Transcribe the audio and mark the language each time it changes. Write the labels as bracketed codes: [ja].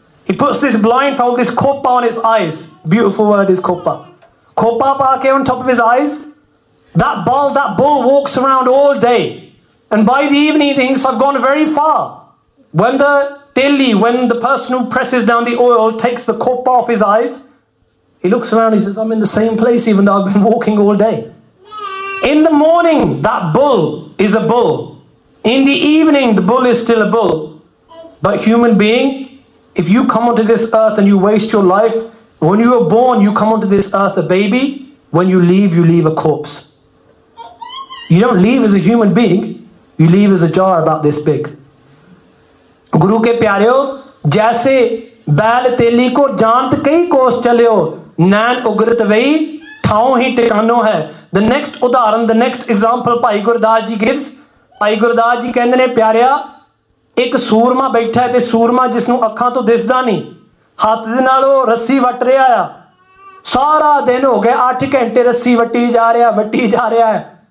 [en] he puts this blindfold, this khopa on his eyes, beautiful word is khopa, [pa] ਖੋਪਾ ਪਾ ਕੇ [en] On top of his eyes, that bull, that bull walks around all day, and by the evening things have gone very far, when the Daily, when the person who presses down the oil takes the khopa off his eyes, he looks around, he says, I'm in the same place even though I've been walking all day. In the morning, that bull is a bull. In the evening, the bull is still a bull. But human being, if you come onto this earth and you waste your life, when you are born, you come onto this earth a baby. When you leave a corpse. You don't leave as a human being. You leave as a jar about this big. [pa] ਗੁਰੂ ਕੇ ਪਿਆਰਿਓ, ਜੈਸੇ ਬੈਲ ਤੇਲੀ ਕੋ ਜਾਣਤ ਕਈ ਕੋਸ ਚੱਲਿਓ, ਨੈਣ ਉਗਰਤ ਵਈ ਠਾਉਂ ਹੀ ਟਿਕਾਨੋ ਹੈ। [en] the next ਉਦਾਹਰਨ, the next example Bhai Gurdas ji gives, [pa] Bhai Gurdas ji ਕਹਿੰਦੇ ਨੇ, ਪਿਆਰਿਆ ਇੱਕ ਸੂਰਮਾ ਬੈਠਾ, ਅਤੇ ਸੂਰਮਾ ਜਿਸ ਨੂੰ ਅੱਖਾਂ ਤੋਂ ਦਿਸਦਾ ਨਹੀਂ, ਹੱਥ ਦੇ ਨਾਲ ਉਹ ਰੱਸੀ ਵੱਟ ਰਿਹਾ ਆ, ਸਾਰਾ ਦਿਨ ਹੋ ਗਿਆ 8 ਘੰਟੇ ਰੱਸੀ ਵੱਟੀ ਜਾ ਰਿਹਾ ਹੈ।